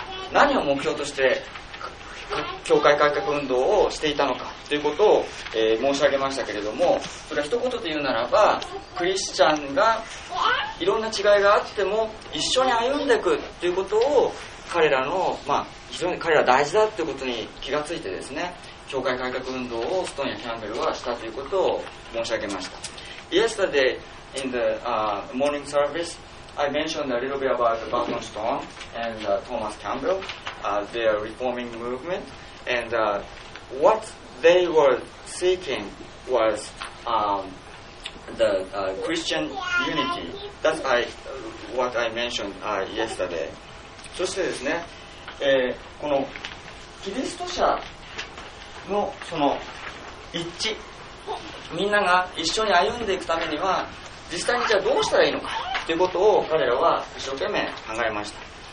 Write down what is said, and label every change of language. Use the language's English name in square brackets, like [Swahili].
[Japanese] 何を目標として教会改革運動をしていたのかということを、申し上げましたけれども、それは一言で言うならば、クリスチャンがいろんな違いがあっても一緒に歩んでいくということを彼らの、非常に彼ら大事だということに気がついてですね、教会改革運動をストーンやキャンベルはしたということを申し上げました。 [English] Yesterday in the morning service, I mentioned a little bit about Barton Stone and Thomas Campbell, their reforming movement, and what they were seeking was the Christian unity. That's what I mentioned yesterday. [Japanese] そしてですね、このキリスト者のその一致、みんなが一緒に歩んでいくためには実際にじゃあどうしたらいいのかということを彼らは一生懸命考えました。